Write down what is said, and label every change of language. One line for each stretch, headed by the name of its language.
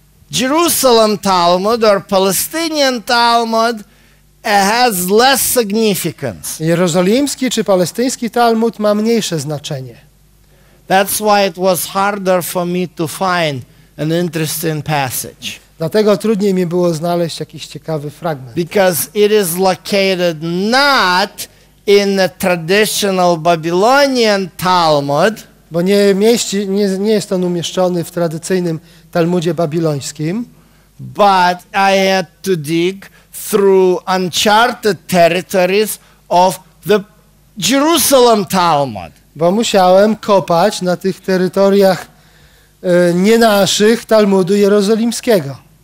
English: Jerusalem Talmud or Palestinian Talmud has less significance.
Polish: Jerozolimski czy palestyński Talmud ma mniejsze znaczenie.
English: That's why it was harder for me to find an interesting passage.
Polish: Dlatego trudniej mi było znaleźć jakiś ciekawy fragment.
English: Because it is located not in the traditional Babylonian Talmud.
Polish: Bo nie jest on umieszczony w tradycyjnym Talmudzie babilońskim.
English: But I had to dig through uncharted territories of the Jerusalem Talmud.
Polish: Bo musiałem kopać na tych terytoriach nie naszych Talmudu jerozolimskiego.